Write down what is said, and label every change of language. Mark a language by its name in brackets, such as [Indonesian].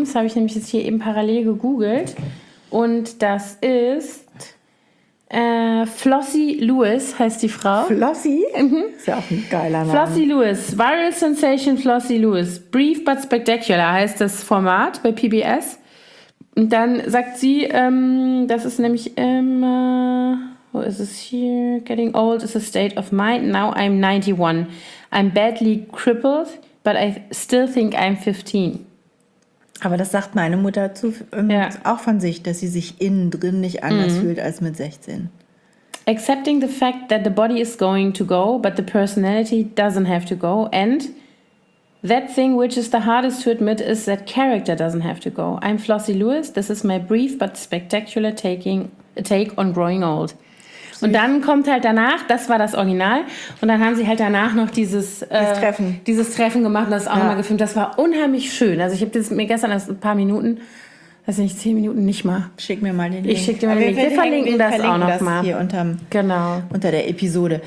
[German] Das habe ich nämlich jetzt hier eben parallel gegoogelt. Und das ist Flossie Lewis, heißt die Frau. Flossie? Mhm. Ist ja auch ein geiler Name. Flossie Lewis. [English] Viral Sensation [German] Flossie Lewis. Brief but Spectacular heißt das Format bei PBS. Und dann sagt sie, das ist nämlich immer... Wo ist es hier? [English] Getting old is a state of mind. Now I'm 91. I'm badly crippled, but I still think I'm 15. [German] Aber das sagt meine Mutter auch von sich, dass sie sich innen drin nicht anders fühlt als mit 16. [English] Accepting the fact that the body is going to go, but the personality doesn't have to go. And that thing which is the hardest to admit is that character doesn't have to go. I'm Flossie Lewis. This is my brief but spectacular take on growing old. [German] Und dann kommt halt danach, das war das Original, und dann haben sie halt danach noch dieses Treffen gemacht und das auch nochmal gefilmt. Das war unheimlich schön. Also ich habe das mir gestern erst ein paar Minuten, weiß nicht, 10 Minuten nicht mal. Schick mir mal den Link. Ich schicke dir mal den Link. Wir verlinken das auch nochmal. Hier unter der Episode.